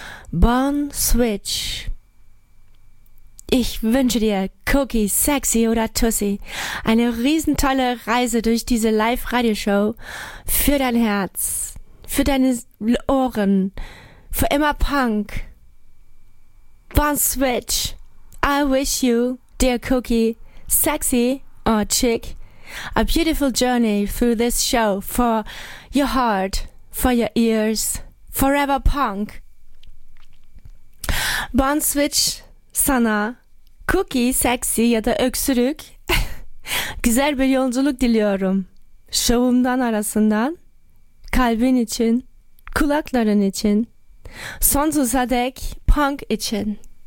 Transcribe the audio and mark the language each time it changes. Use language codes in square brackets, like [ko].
[de] Born Switch. Ich wünsche dir, Cookie, Sexy oder Tussi, eine riesentolle Reise durch diese Live-Radioshow für dein Herz, für deine Ohren, für immer Punk. Born Switch. [en] I wish you, dear Cookie, Sexy or Chick, a beautiful journey through this show for your heart, for your ears, forever punk. [tr] Born Switch, sana, Cookie, Sexy ya da Öksürük, güzel bir yolculuk diliyorum. Şovumdan arasından, kalbin için, kulakların için, sonsuza dek punk için.